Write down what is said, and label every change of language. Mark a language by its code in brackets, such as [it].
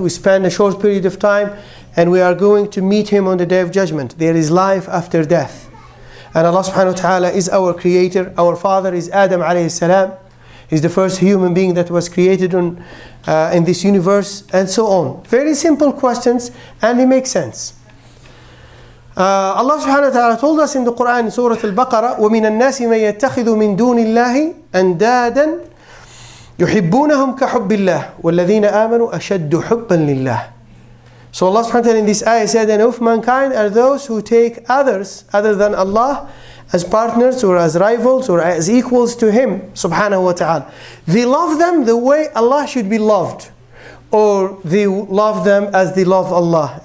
[en] We spend a short period of time and we are going to meet Him on the Day of Judgment. There is life after death. And Allah subhanahu wa ta'ala is our creator. Our father is Adam alayhi salam. He's the first human being that was created in this universe, and so on. Very simple questions, and they make sense. [ar] Allah subhanahu wa ta'ala told us in the Quran, Surah Al-Baqarah, وَمِنَ النَّاسِ مَن يَتَّخِذُ مِن دُونِ اللَّهِ أَنْدَادًا يُحِبُّونَهُمْ كَحُبِّ اللَّهِ وَالَّذِينَ آمَنُوا أَشَدُّ حُبًّا لِلَّهِ. [en] So Allah subhanahu wa ta'ala in this ayah said, and of mankind are those who take others other than Allah as partners or as rivals or as equals to Him subhanahu wa ta'ala. They love them the way Allah should be loved. Or they love them as they love Allah.